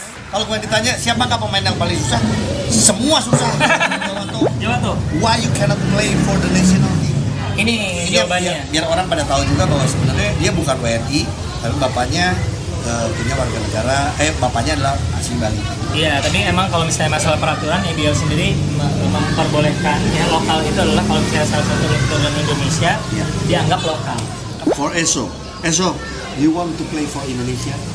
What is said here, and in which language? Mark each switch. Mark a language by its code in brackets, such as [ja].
[id] Kalau gue ditanya siapakah pemain yang paling susah? Semua susah. Jawab tuh. [en] Why you cannot play for the national team? [id] Ini jawabannya. Biar orang pada tahu juga bahwa sebenarnya dia bukan WNI, tapi bapaknya punya warga negara. Bapaknya adalah asli Bali. Iya, tapi emang kalau misalnya masalah peraturan, ABL sendiri memperbolehkan ya lokal itu adalah kalau misalnya salah satu keturunan Indonesia dianggap lokal. [en] For Esho, Esho, you want to play for Indonesia?